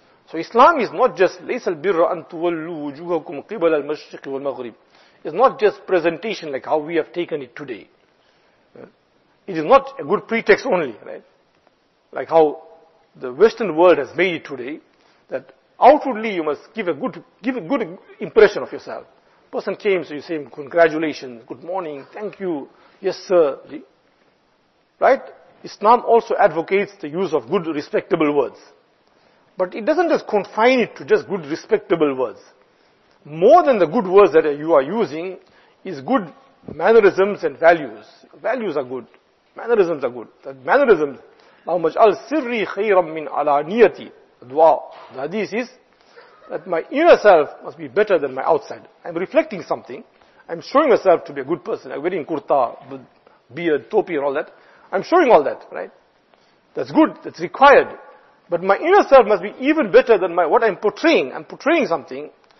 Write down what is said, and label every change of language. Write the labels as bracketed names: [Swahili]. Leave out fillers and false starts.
[English] So Islam is not just [Arabic] لَيْسَ الْبِرَّ أَن تُوَلُّوا وُجُوهَكُمْ قِبَلَ الْمَشْرِقِ وَالْمَغْرِبِ. [English] It's not just presentation like how we have taken it today. It is not a good pretext only, right? Like how the Western world has made it today, that outwardly you must give a good impression of yourself. Person came, so you say, congratulations, good morning, thank you, yes sir. Right? Islam also advocates the use of good, respectable words. But it doesn't just confine it to just good, respectable words. More than the good words that you are using is good mannerisms and values. Values are good. Mannerisms are good. That mannerisms, [Arabic] اللهم اجعل سري خيرا من علانيتي. [English] Dua. The hadith is that my inner self must be better than my outside. I'm reflecting something. I'm showing myself to be a good person. I'm wearing kurta, beard, topi and all that. I'm showing all that, right? That's good. That's required. But my inner self must be even better than what I'm portraying. I'm portraying something.